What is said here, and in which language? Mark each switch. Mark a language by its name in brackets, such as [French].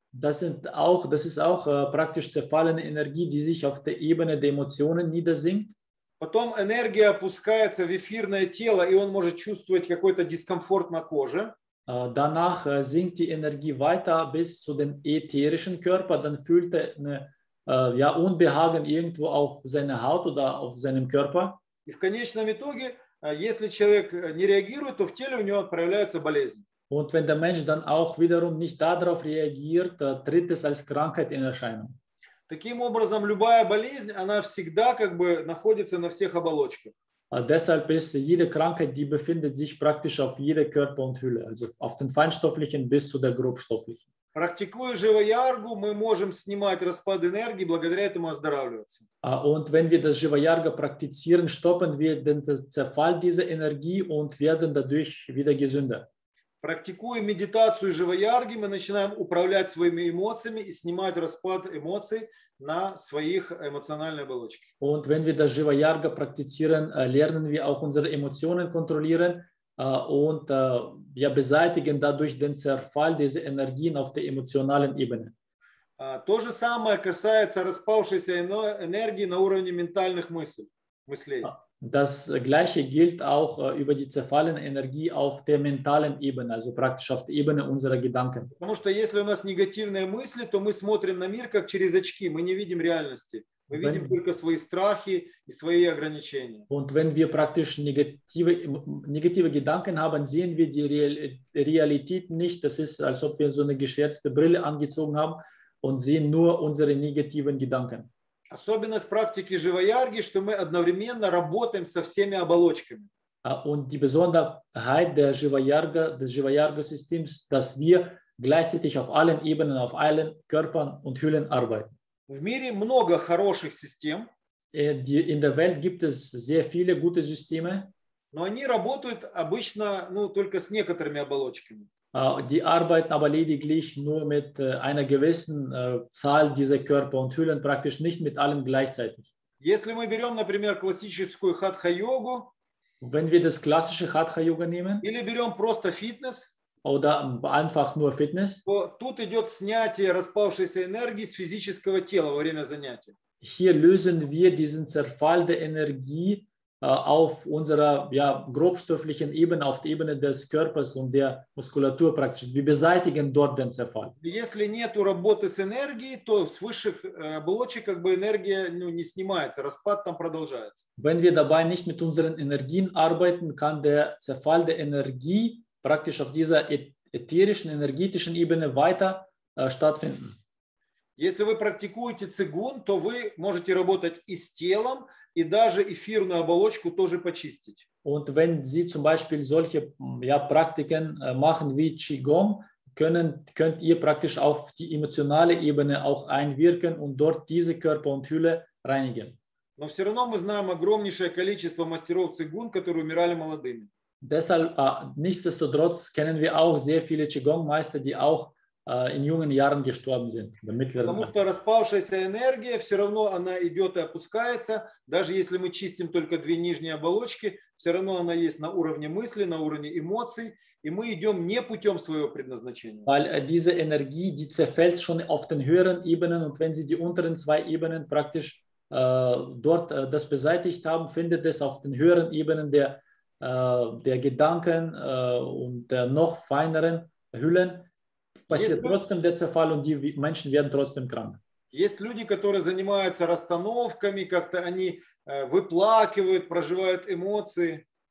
[German] Das ist auch praktisch zerfallene Energie, die sich auf der Ebene der Emotionen niedersinkt. [Russian] Потом энергия опускается в эфирное тело, и он может чувствовать какой-то дискомфорт на коже. [German] Danach sinkt die Energie weiter bis zu dem ätherischen Körper, dann fühlt er Unbehagen irgendwo auf seiner Haut oder auf seinem Körper. [Russian] И в конечном итоге, если человек не реагирует, то в теле у него проявляется болезнь. [German] Und wenn der Mensch dann auch wiederum nicht darauf reagiert, tritt es als Krankheit in Erscheinung. [Russian] Таким образом, любая болезнь, она всегда как бы находится на всех оболочках. [German] Deshalb ist jede Krankheit, die befindet sich praktisch auf jeder Körper und Hülle, also auf den feinstofflichen bis zu der grobstofflichen. [Russian] Практикуя живаяргу, мы можем снимать распад энергии, благодаря этому оздоравливаться. [German] Und wenn wir das живаярга практизируем, stoppen wir den Zerfall dieser Energie und werden dadurch wieder gesünder. [Russian] Практикуя медитацию живаярги, мы начинаем управлять своими эмоциями и снимать распад эмоций на своих эмоциональной оболочке. [German] Und wenn wir das живаярга практизируем, lernen wir auch unsere Emotionen kontrollieren. Und beseitigen dadurch den Zerfall dieser Energien auf der emotionalen Ebene. [Russian] То же самое касается распавшейся энергии на уровне ментальных мыслей. [German] Das Gleiche gilt auch über die zerfallene Energie auf der mentalen Ebene, also praktisch auf der Ebene unserer Gedanken. [Russian] Потому что если у нас негативные мысли, то мы смотрим на мир как через очки, мы не видим реальности. Мы видим только свои страхи и свои ограничения. [German] Und wenn wir praktisch negative Gedanken haben, sehen wir die Realität nicht. Das ist, als ob wir so eine geschwärzte Brille angezogen haben und sehen nur unsere negativen Gedanken. [Russian] Особенность практики живоярги, что мы одновременно работаем со всеми оболочками. [German] Und die Besonderheit der Живоярга, des Живоярга-Systems, dass wir gleichzeitig auf allen Ebenen, auf allen Körpern und Hüllen arbeiten. [Russian] В мире много хороших систем. [German] In der Welt gibt es sehr viele gute Systeme. [Russian] Но они работают обычно, ну, только с некоторыми оболочками. [German] Die arbeiten aber lediglich nur mit einer gewissen Zahl dieser Körper und Hüllen, praktisch nicht mit allem gleichzeitig. [Russian] Если мы берем, например, классическую хатха-йогу, [German] wenn wir das klassische Hatha-Yoga nehmen, [Russian] или берем просто фитнес, [German] oder einfach nur Fitness, [Russian] то тут идет снятие распавшейся энергии с физического тела во время занятия. [German] Hier lösen wir diesen Zerfall der Energie auf unserer ja, grobstofflichen Ebene, auf der Ebene des Körpers und der Muskulatur praktisch. Wir beseitigen dort den Zerfall. [Russian] Если нету работы с энергией, то с высших оболочек как бы энергия ну, не снимается, распад там продолжается. [German] Wenn wir dabei nicht mit unseren Energien arbeiten, kann der Zerfall der Energie praktisch auf dieser ätherischen, energetischen Ebene weiter stattfinden. [Russian] Если вы практикуете цигун, то вы можете работать и с телом, и даже эфирную оболочку тоже почистить. [German] Und wenn Sie zum Beispiel solche ja, Praktiken machen wie Qigong, könnt ihr praktisch auf die emotionale Ebene auch einwirken und dort diese Körper und Hülle reinigen. [Russian] Но все равно мы знаем огромнейшее количество мастеров цигун, которые умирали молодыми. [German] Deshalb, nichtsdestotrotz kennen wir auch sehr viele Qigong-Meister, die auch in jungen Jahren gestorben sind. [Russian] Потому что распавшаяся энергия все равно она идет и опускается, даже если мы чистим только две нижние оболочки, все равно она есть на уровне мысли, на уровне эмоций, и мы идем не путем своего предназначения. [German] Weil diese Energie, die zerfällt schon auf den höheren Ebenen und wenn sie die unteren zwei Ebenen praktisch dort das beseitigt haben, findet es auf den höheren Ebenen der Gedanken und der noch feineren Hüllen passiert trotzdem der Zerfall und die Menschen werden trotzdem krank. [Russian] Есть люди, которые занимаются расстановками, как-то они выплакивают, проживают эмоции.